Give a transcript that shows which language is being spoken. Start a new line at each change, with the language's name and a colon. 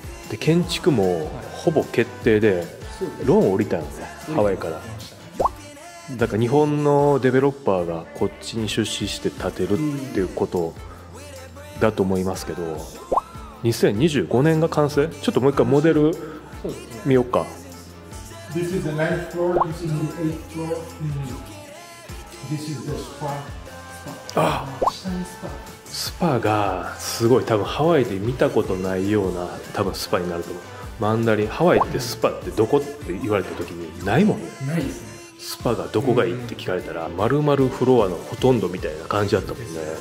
Japanese: で、建築もほぼ決定で、ローン降りたんですね、ハワイから。だから日本のデベロッパーがこっちに出資して建てるっていうことだと思いますけど、2025年が完成？ちょっともう一回モデル見よっか。
English: This is the ninth floor, this is the eighth floor, this is the spa.
Japanese: あ、スパがすごい、多分ハワイで見たことないような多分スパになると思う。マンダリン、ハワイってスパってどこって言われた時にないもん。ないですね。スパがどこがいいって聞かれたら、丸々フロアのほとんどみたいな感じだったもんね。